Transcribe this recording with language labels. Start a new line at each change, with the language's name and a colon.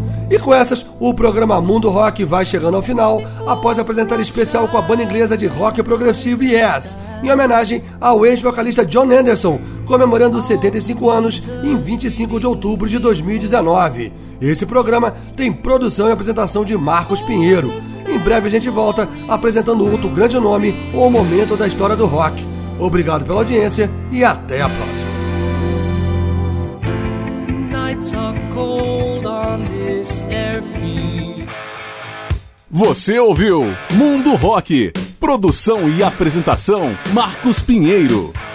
Portuguese: E com essas, o programa Mundo Rock vai chegando ao final, após apresentar especial com a banda inglesa de rock progressivo Yes, em homenagem ao ex-vocalista John Anderson, comemorando 75 anos em 25 de outubro de 2019. Esse programa tem produção e apresentação de Marcos Pinheiro. Em breve a gente volta apresentando outro grande nome ou momento da história do rock. Obrigado pela audiência e até a próxima.
English: Nights are cold on this airfield.
Portuguese: Você ouviu Mundo Rock. Produção e apresentação, Marcos Pinheiro.